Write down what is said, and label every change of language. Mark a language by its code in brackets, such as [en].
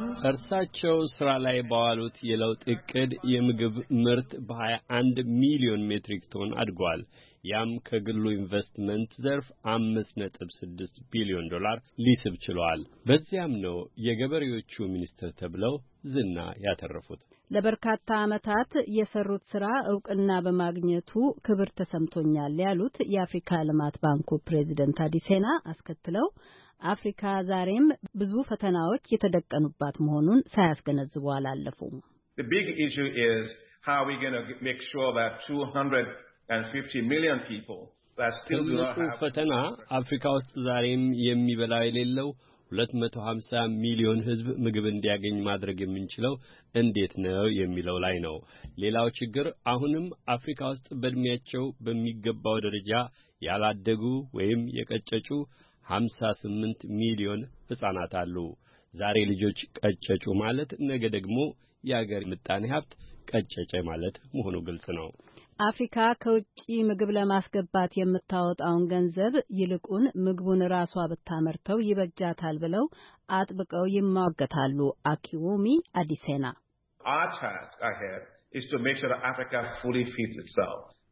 [am] እርሳቸው ስራ ላይ ባዋሉት የለውጥ እቅድ የምግብ ምርት በ21 ሚሊዮን ሜትሪክ ቶን አድጓል። ያም ከግሉ ኢንቨስትመንት ዘርፍ 5.6 ቢሊዮን ዶላር ሊስብ ችሏል። በዚያም ነው የገበሬዎቹ ሚኒስትር ተብለው ዝና ያተረፉት። ለበርካታ አመታት የሰሩት ስራ እውቅና በማግኘቱ ክብር ተሰምቶኛል ያሉት የአፍሪካ ልማት ባንኩ ፕሬዚደንት አዲሴና አስከትለው አፍሪካ ዛሬም ብዙ ፈተናዎች የተደቀኑባት መሆኑን ሳያስገነዝቡ አላለፉም። [en] The big issue is how we're going to make sure that 250 million people that still do not have [am] ትልቁ ፈተና አፍሪካ ውስጥ ዛሬም የሚበላው የሌለው 250 ሚሊዮን ህዝብ ምግብ እንዲያገኝ ማድረግ የምንችለው እንዴት ነው የሚለው ላይ ነው። ሌላው ችግር አሁንም አፍሪካ ውስጥ በእድሜያቸው በሚገባው ደረጃ ያላደጉ ወይም የቀጨጩ 58 ሚሊዮን ህጻናት አሉ። ዛሬ ልጆች ቀጨጩ ማለት ነገ ደግሞ የሀገር ምጣኔ ሀብት ቀጨጨ ማለት መሆኑ ግልጽ ነው። አፍሪካ ከውጪ ምግብ ለማስገባት የምታወጣውን ገንዘብ ይልቁን ምግቡን ራሷ ብታመርተው ይበጃታል ብለው አጥብቀው ይሟገታሉ አኪዎሚ አዲሴና። [en] Our task ahead is to make sure that Africa fully feeds itself.